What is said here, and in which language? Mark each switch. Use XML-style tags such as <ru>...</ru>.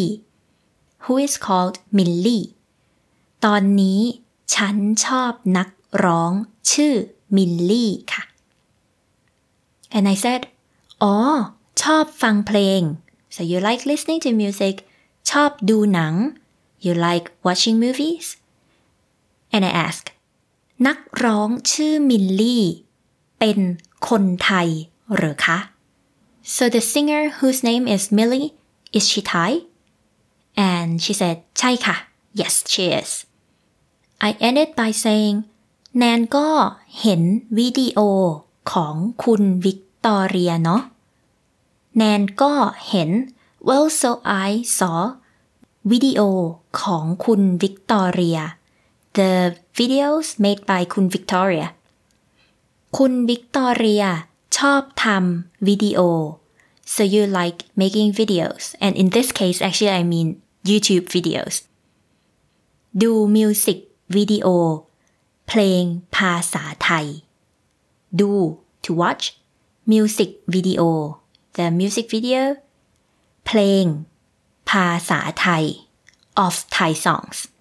<en>Who is called มิลลี่</en> <th>ตอนนี้ฉันชอบนักร้องชื่อมิลลี่ค่ะ</th> <en>And I said,</en> <th>อ๋อชอบฟังเพลง</th> <en>So you like listening to music.</en> <th>ชอบดูหนัง</th> <en>You like watching movies. And I ask,</en> <th>นักร้องชื่อมิลลี่เป็นคนไทยหรือคะ</th> <en>So the singer whose name is Millie, is she Thai? And she said,</en> <th>ใช่ค่ะ</th> <en>Yes, she is. I ended by saying,</en> <th>แนนก็เห็นวิดีโอของคุณวิกตอเรียเนาะแนนก็เห็น</th> <en>Well, so I saw</en> <th>วิดีโอของคุณวิกตอเรีย</th> <en>The videos made by คุณ Victoria.</en> <th>คุณวิกตอเรียชอบทำวิดีโอ</th> <en>so you like making videos and in this case actually I mean YouTube videos</en> <th>ดูมิวสิกวิดีโอเพลงภาษาไทย</th> <en>ดู to watch มิวสิกวิดีโอ the music video เพลงภาษาไทย of Thai songs</en>